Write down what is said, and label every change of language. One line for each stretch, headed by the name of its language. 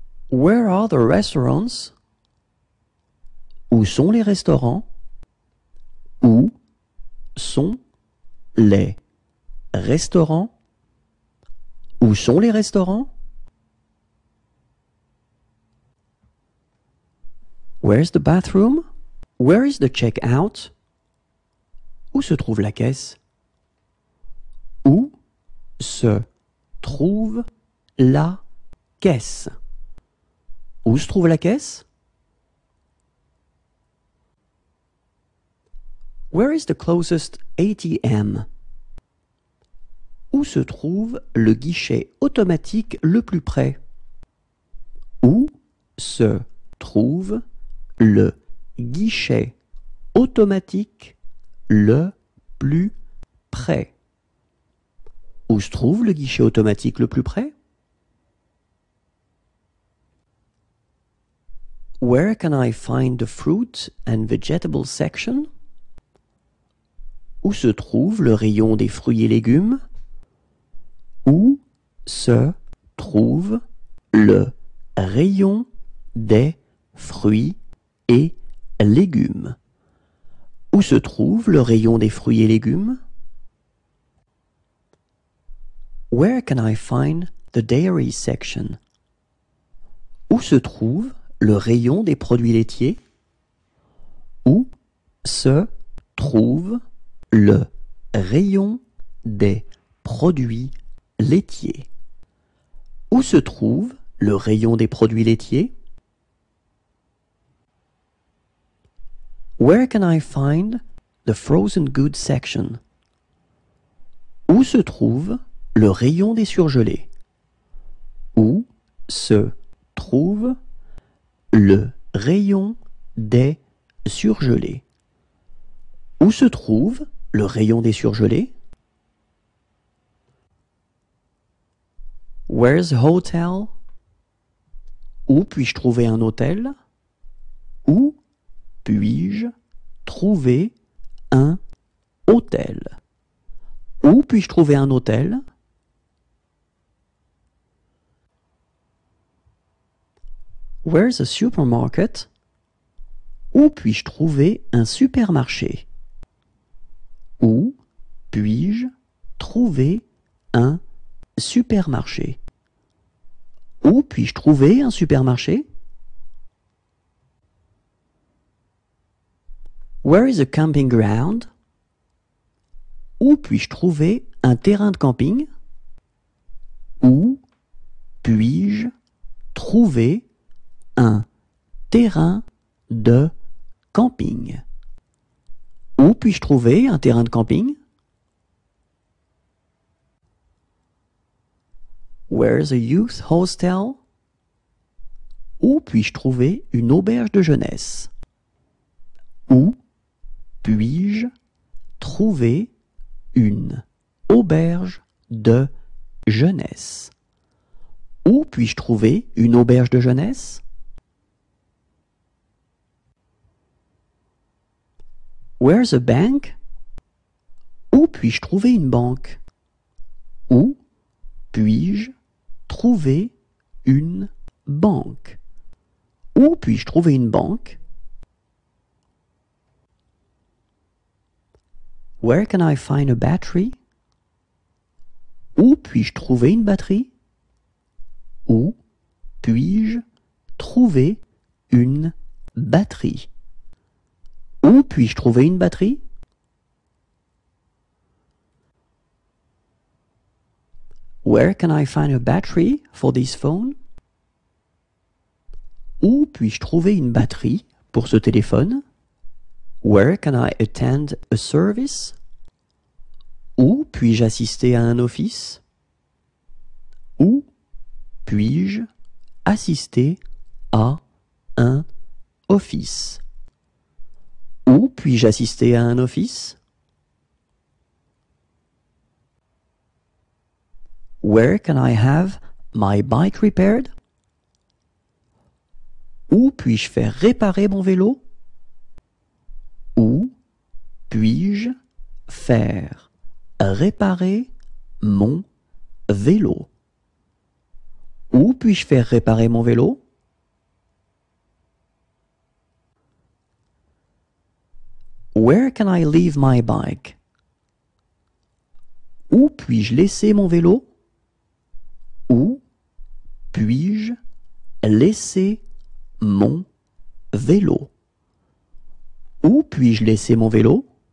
English: Where are the restaurants?
French: Où sont les restaurants? Où sont les restaurants? Où sont les restaurants?
English: Where's the bathroom? Where is the checkout?
French: Où se trouve la caisse? Où se trouve la caisse? Où se trouve la caisse?
English: Where is the closest ATM?
French: Où se trouve le guichet automatique le plus près? Où se trouve le guichet automatique le plus près? Où se trouve le guichet automatique le plus près?
English: Where can I find the fruit and vegetable section?
French: Où se trouve le rayon des fruits et légumes? Où se trouve le rayon des fruits et légumes? Où se trouve le rayon des fruits et légumes?
English: Where can I find the dairy section?
French: Où se trouve le rayon des produits laitiers? Où se trouve le rayon des produits laitiers? Où se trouve le rayon des produits laitiers?
English: Where can I find the frozen goods section?
French: Où se trouve le rayon des surgelés? Où se trouve le rayon des surgelés? Où se trouve le rayon des surgelés?
English: Where's the hotel?
French: Où puis-je trouver un hôtel? Où puis-je trouver un hôtel? Où puis-je trouver un hôtel?
English: Where's a supermarket?
French: Où puis-je trouver un supermarché? Où puis-je trouver un supermarché? Où puis-je trouver un supermarché?
English: Where is a camping ground?
French: Où puis-je trouver un terrain de camping? Où puis-je trouver un terrain de camping? Où puis-je trouver un terrain de camping?
English: Where's a youth hostel?
French: Où puis-je trouver une auberge de jeunesse? Où Puis-je trouver une auberge de jeunesse? Où puis-je trouver une auberge de jeunesse?
English: Where's a bank?
French: Où puis-je trouver une banque? Où puis-je trouver une banque? Où puis-je trouver une banque?
English: Where can I find a battery?
French: Où puis-je trouver une batterie? Où puis-je trouver une batterie? Où puis-je trouver une batterie?
English: Where can I find a battery for this phone?
French: Où puis-je trouver une batterie pour ce téléphone?
English: Where can I attend a service?
French: Où puis-je assister à un office? Où puis-je assister à un office? Où puis-je assister à un office?
English: Where can I have my bike repaired?
French: Où puis-je faire réparer mon vélo? Où puis-je faire réparer mon vélo? Où puis-je faire réparer mon vélo?
English: Where can I leave my bike?
French: Où puis-je laisser mon vélo? Où puis-je laisser mon vélo? Où puis-je laisser mon vélo?